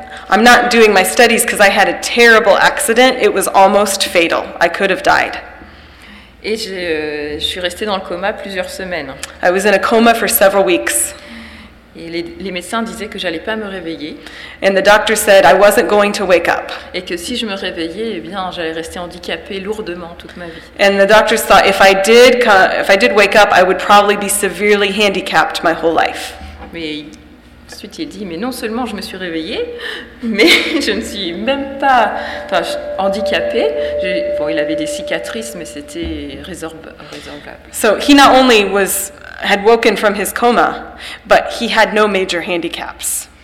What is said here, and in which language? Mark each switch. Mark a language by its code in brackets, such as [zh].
[en] I'm not doing my studies because I had a terrible accident. It was almost fatal. I could have died. [fr] Et je suis restée dans le coma plusieurs semaines. [en] I was in a coma for several weeks. [fr] Et les médecins disaient que j'allais pas me réveiller. [en] And the doctor said I wasn't going to wake up. [fr] Et que si je me réveillais, eh bien, j'allais rester handicapée lourdement toute ma vie. [en] And the doctors thought if I did wake up, I would probably be severely handicapped my whole life. [fr] Mais ensuite, il dit, mais non seulement je me suis réveillée, mais je ne suis même pas handicapée. Il avait des cicatrices, mais c'était résorbable. [en] So he not only had woken from his coma, but he had no major handicaps.